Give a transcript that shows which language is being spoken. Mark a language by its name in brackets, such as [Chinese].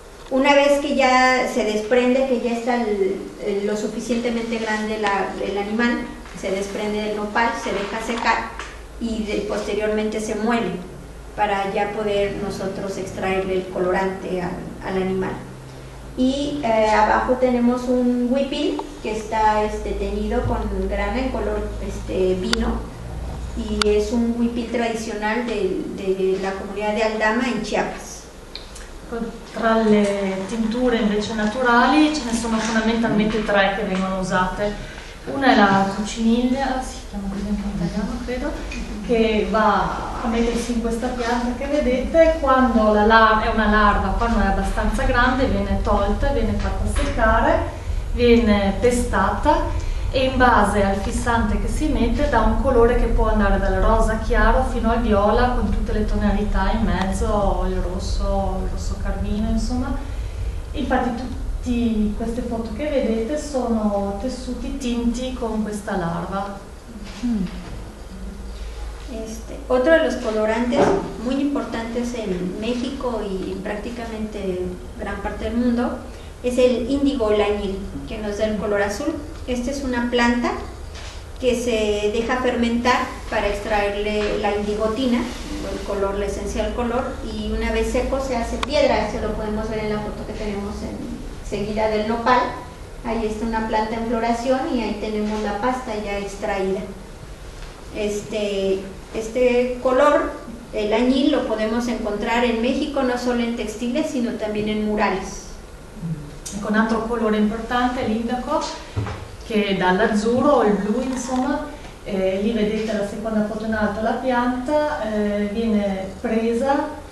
[Spanish] Una vez que ya se desprende, que ya está lo suficientemente grande el animal, se desprende del nopal, se deja secar y posteriormente se muele para ya poder nosotros extraerle el colorante al animal. Y abajo tenemos un huipil que está teñido con grana en color vino, y es un huipil tradicional de la comunidad de Aldama en Chiapas. [Italian] Tra le tinture invece naturali ce ne sono fondamentalmente tre che vengono usate. Una è la cochinilla, si chiama così in italiano credo, che va a mettersi in questa pianta che vedete, quando è una larva, quando è abbastanza grande, viene tolta, viene fatta seccare, viene pestata e in base al fissante che si mette dà un colore che può andare dal rosa chiaro fino al viola con tutte le tonalità in mezzo, il rosso carmino, insomma. Infatti tutte queste foto che vedete sono tessuti tinti con questa larva. [Spanish] Otro de los colorantes muy importantes en México y en prácticamente gran parte del mundo es el índigo, el añil, que nos da el color azul. Esta es una planta que se deja fermentar para extraerle la indigotina, el color, la esencia del color, y una vez seco se hace piedra. Esto lo podemos ver en la foto que tenemos en seguida del nopal. Ahí está una planta en floración y ahí tenemos la pasta ya extraída. Este color, el añil, lo podemos encontrar en México no solo en textiles, sino también en murales. [Italian] Con altro colore importante, l'indaco, che dall'azzurro o il blu, insomma, lì vedete la seconda foto in alto, la pianta viene presa,